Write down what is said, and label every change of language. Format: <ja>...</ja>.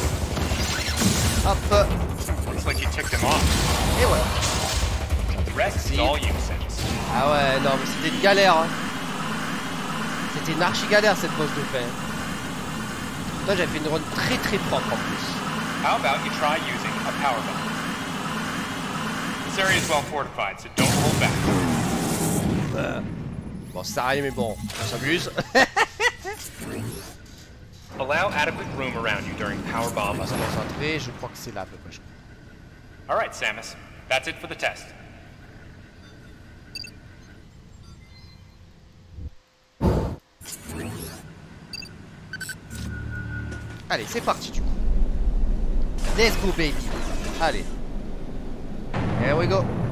<en>Hop. Looks like you ticked him off.</en> <fr>Et ouais.</fr> <en>The rest is all you, Sense.</en> <fr>Ah ouais, non, mais c'était une galère. Hein. C'était une archi galère cette pose de fin. Toi, j'avais fait une run très très propre en plus.</fr> <en>How about you try using a power bomb? area is well fortified, so don't hold back.</en> <fr>Bon, ça arrive, mais bon, on s'amuse.</fr> <en>Allow adequate room around you during power bomb.</en> <fr>On va se concentrer, je crois que c'est là, à peu près.</fr> <en>Alright, Samus, that's it for the test.</en> <fr>Allez, c'est parti du coup.</fr> <en>Let's go, baby.</en> <fr>Allez.</fr> <en>Here we go.</en>